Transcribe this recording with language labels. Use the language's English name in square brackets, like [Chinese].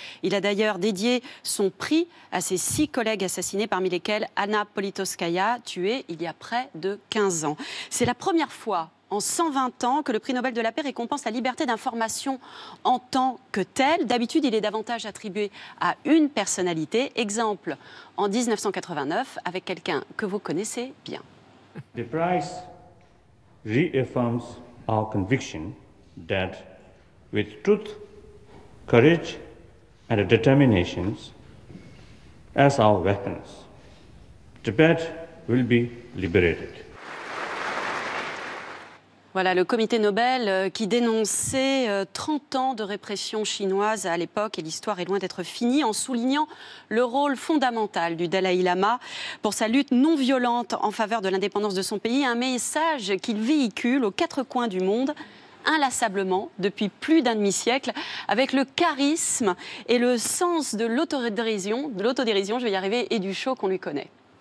[French] Il a d'ailleurs dédié son prix à ses 6 collègues assassinés, parmi lesquels Anna Politkovskaya, tuée il y a près de 15 ans. C'est la première fois en 120 ans que le prix Nobel de la paix récompense la liberté d'information en tant que telle. D'habitude, il est davantage attribué à une personnalité. Exemple, en 1989, avec quelqu'un que vous connaissez bien. [English] The prize reaffirms our conviction that with truth, courage and determination as our weapons, Tibet will be liberated. [French] Voilà, le comité Nobel qui dénonçait 30 ans de répression chinoise à l'époque, et l'histoire est loin d'être finie, en soulignant le rôle fondamental du Dalai Lama pour sa lutte non violente en faveur de l'indépendance de son pays, un message qu'il véhicule aux quatre coins du monde inlassablement depuis plus d'un demi-siècle, avec le charisme et le sens de l'autodérision, je vais y arriver, et du show qu'on lui connaît.